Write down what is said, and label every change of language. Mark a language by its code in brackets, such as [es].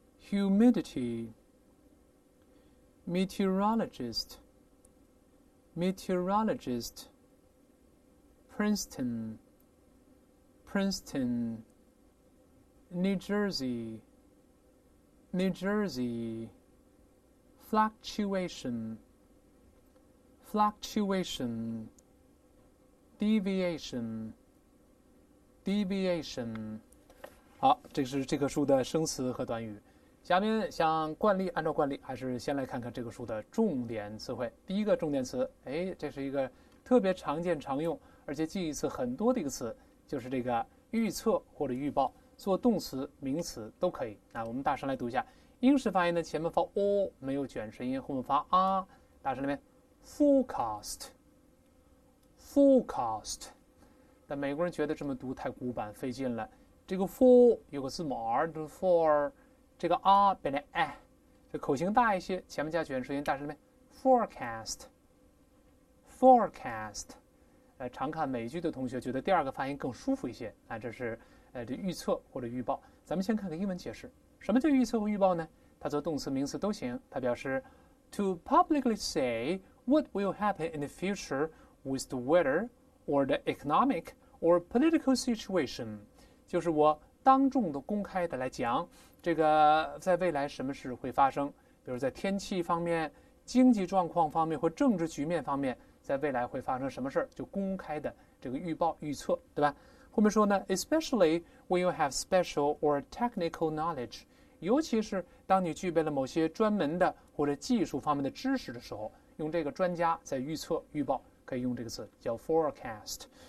[en] Humidity, meteorologist, meteorologist, Princeton, Princeton, New Jersey, New Jersey, fluctuation, fluctuation, deviation, deviation. [zh] 好，这是这个书的生词和短语。下面像惯例，按照惯例，还是先来看看这个书的重点词汇。第一个重点词，哎，这是一个特别常见、常用，而且记忆词很多的一个词，就是这个预测或者预报，做动词、名词都可以。那我们大声来读一下，英式发音呢，前面发 o 没有卷舌音，后面发 r， 大声那边 forecast，forecast。但美国人觉得这么读太古板、费劲了，这个 for 有个字母 r， 就是 for。这个 R 变成 I， 这口型大一些，前面加卷舌音，大声念 forecast， forecast。常看美剧的同学觉得第二个发音更舒服一些啊，这是这预测或者预报。咱们先看个英文解释，什么叫预测或预报呢？它做动词、名词都行，它表示 [en] to publicly say what will happen in the future with the weather or the economic or political situation， [zh] 就是我当众的、公开的来讲。这个在未来什么事会发生，比如在天气方面、经济状况方面或政治局面方面，在未来会发生什么事，就公开的这个预报预测，对吧？后面说呢 [en] especially when you have special or technical knowledge， [zh] 尤其是当你具备了某些专门的或者技术方面的知识的时候，用这个专家在预测预报，可以用这个词叫 forecast。